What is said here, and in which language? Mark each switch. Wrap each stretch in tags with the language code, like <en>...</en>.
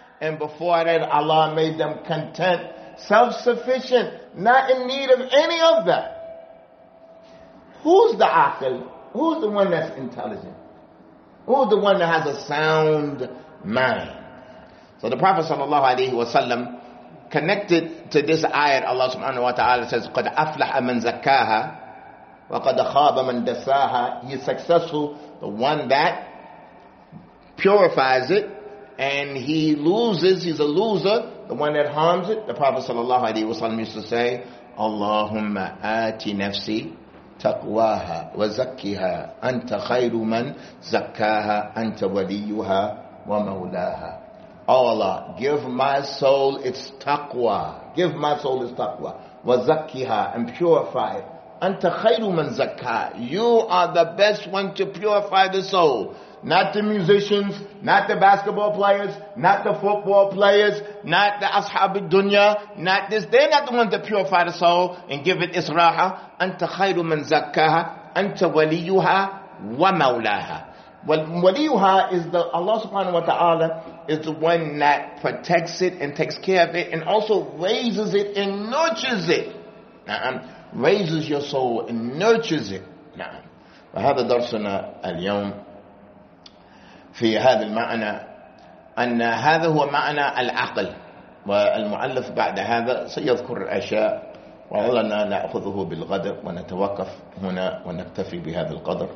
<en>And before that, Allah made them content, self-sufficient, not in need of any of that. Who's the aqil? Who's the one that's intelligent? Who's the one that has a sound mind? So the Prophet sallallahu alayhi wa sallam connected to this ayat.</en> <ar>Allah subhanahu wa ta'ala says, قَدْ أَفْلَحَ مَنْ زَكَّاهَا وَقَدْ خَابَ مَنْ دَسَّاهَا.</ar> <en>He is successful, the one that purifies it, and he loses, he's a loser, the one that harms it. The Prophet sallallahu alayhi wa sallam used to say,</en> <ar>اللَّهُمَّ آتِ نَفْسِي تَقْوَاهَا وَزَكِّهَا أَنْتَ خَيْرُ مَنْ زَكَّاهَا أَنْتَ وَلِيُّهَا وَمَوْلَاهَا.</ar> <en>Oh Allah, give my soul its taqwa. Give my soul its taqwa.</en> <ar>وَزَكِّهَا,</ar> <en>and purify it.</en> <ar>أَنْتَ خَيْرُ مَنْ زَكَّاهَا.</ar> <en>You are the best one to purify the soul. Not the musicians, not the basketball players, not the football players, not the ashab al-dunya, not this. They're not the ones that purify the soul and give it its raha.</en> <ar>أَنْتَ خَيْرُ مَنْ زَكَّاهَا. أَنْتَ وَلِيُّهَا وَمَوْلَاهَا.</ar> <en>Well, waliyuha is the Allah subhanahu wa ta'ala is the one that protects it and takes care of it and also raises it and nurtures it. Raises your soul and nurtures it.</en> <ar>وهذا درسنا اليوم في هذا المعنى أن هذا هو معنى العقل والمؤلف بعد هذا سيذكر الأشياء وعلنا نأخذه بالغد ونتوقف هنا ونكتفي بهذا القدر.</ar>